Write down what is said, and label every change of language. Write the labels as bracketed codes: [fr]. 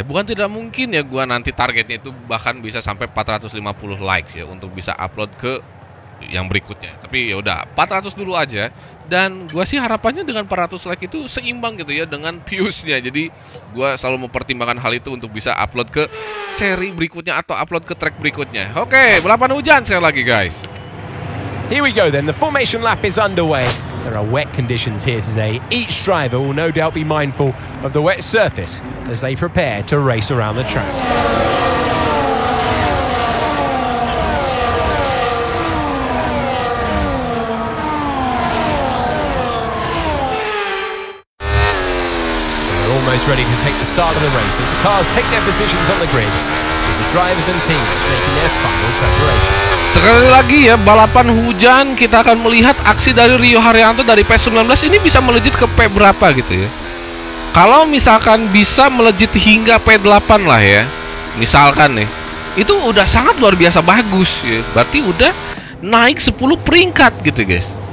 [id] Bukan tidak mungkin ya gue nanti targetnya itu bahkan bisa sampai 450 likes ya untuk bisa upload ke yang berikutnya. Tapi ya udah, 400 dulu aja. Dan gue sih harapannya dengan 400 like itu seimbang gitu ya dengan views-nya. Jadi gue selalu mempertimbangkan hal itu untuk bisa upload ke seri berikutnya atau upload ke track berikutnya. Oke, balapan hujan sekali lagi guys. [en] Here we go then, the formation lap is underway. There are wet conditions here today. Each driver will no doubt be mindful of the wet surface as they prepare to race around the track. They're almost ready to take the start of the race as the cars take their positions on the grid, with the drivers and teams making their final preparations. [id] Sekali lagi ya, balapan hujan, kita akan melihat aksi dari Rio Haryanto dari P19 ini bisa melejit ke P berapa gitu ya. Kalau misalkan bisa melejit hingga P8 lah ya, misalkan nih, itu udah sangat luar biasa bagus ya. Berarti udah naik 10 peringkat gitu guys.